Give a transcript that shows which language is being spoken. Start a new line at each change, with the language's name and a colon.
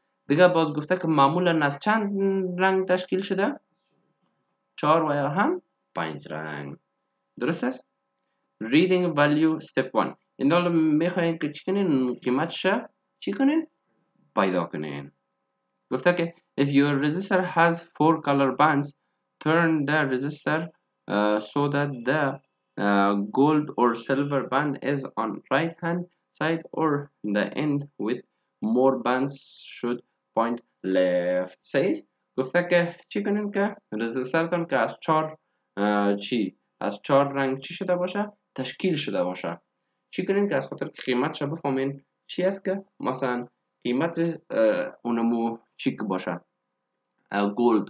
Persian: دیگه باز گفته که معمولاً از چند رنگ تشکیل شده؟ 4 و یا هم 5 رنگ. درست است؟
English: Reading value step 1.
Persian: این دالا میخواییم که چی کنین؟ قیمت شه؟ چی کنین؟ پیدا کنین. گفته که
English: If your resistor has 4 color bands, turn the resistor so that the gold or silver band is on right hand side or the end with more bands should point left.
Persian: Says, گفته که چی کنین که رزیستورتون که از 4 چی؟ از 4 رنگ چی شده باشه؟ تشکیل شده باشه. چی کنین که از خاطر قیمت شده بفهمین چی است که مثلا قیمت اونمو چیک باشه؟ گولد.